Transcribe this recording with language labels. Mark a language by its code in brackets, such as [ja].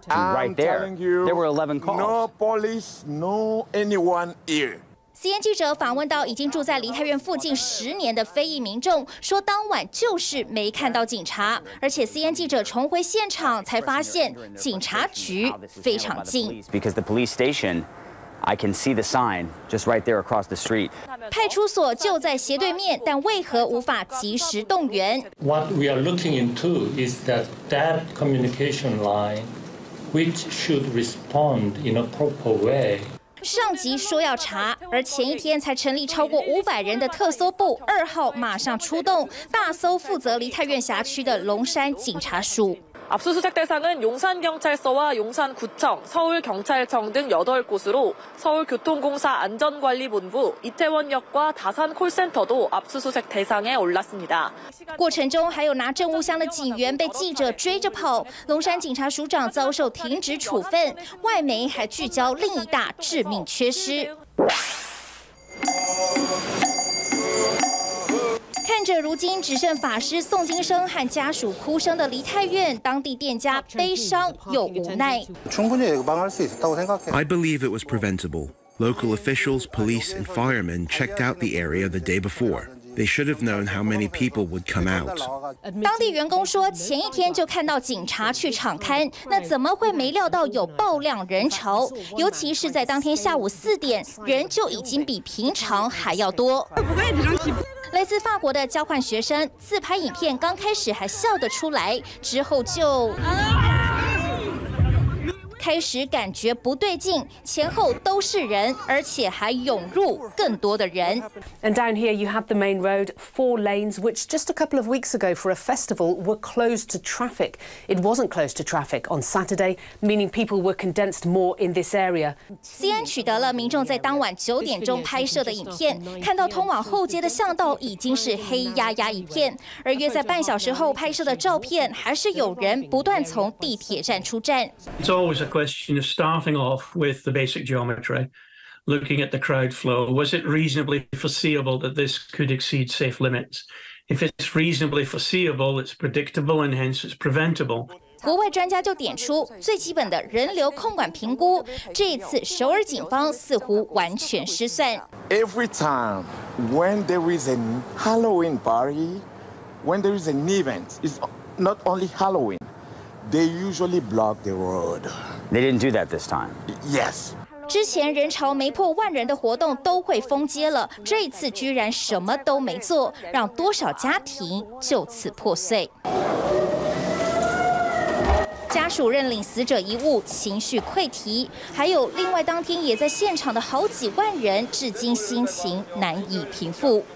[en] ，Right there, there were 11 calls. No police, no anyone here. [zh] CNN 记者访问到已经住在梨泰院附近10年的非裔民众，说当晚就是没看到警察，而且 CNN 记者重回现场才发现警察局非常近。 [en] Because the police station, I can see the sign just right there across the street. [zh] 派出所就在斜对面，但为何无法及时动员 [en] ？What we are looking into is that communication line, which should respond in a proper way. [zh] 上级说要查，而前一天才成立超过500人的特搜部2号马上出动，大搜负责梨泰院辖区的龙山警察署。 [ko] 압수수색대상은용산경찰서와용산구청서울경찰청등8곳으로서울교통공사안전관리본부이태원역과다산콜센터도압수수색대상에올랐습니다 [zh] 过程中还有拿证物箱的警员被记者追着跑，龙山警察署长遭受停职处分，外媒还聚焦另一大致命缺失。看着如今只剩法师宋金生和家属哭声的梨泰院，当地店家悲伤又无奈。 [en] I believe it was preventable. Local officials, police, and firemen checked out the area the day before. They should have known how many people would come out. [zh] 当地员工说，前一天就看到警察去敞刊，那怎么会没料到有爆量人潮？尤其是在当天下午4点，人就已经比平常还要多。来自法国的交换学生自拍影片，刚开始还笑得出来，之后就开始感觉不对劲，前后都是人，而且还涌入更多的人。 [en] And down here you have the main road, 4 lanes, which just a couple of weeks ago for a festival were closed to traffic. It wasn't closed to traffic on Saturday, meaning people were condensed more in this area. [zh] CNN 取得了民众在当晚9点钟拍摄的影片，看到通往后街的巷道已经是黑压压一片，而约在半小时后拍摄的照片，还是有人不断从地铁站出站。 [en] A question of starting off with the basic geometry, looking at the crowd flow. Was it reasonably foreseeable that this could exceed safe limits? If it's reasonably foreseeable, it's predictable and hence it's preventable. [zh] 国外专家就点出，最基本的人流控管评估，这一次首尔警方似乎完全失算。 [en] Every time when there is a Halloween party, when there is an event, it's not only Halloween. They usually block the road. They didn't do that this time. Yes. [zh] 之前人潮没破万人的活动都会封街了，这次居然什么都没做，让多少家庭就此破碎。家属认领死者遗物，情绪溃堤。还有另外当天也在现场的好几万人，至今心情难以平复。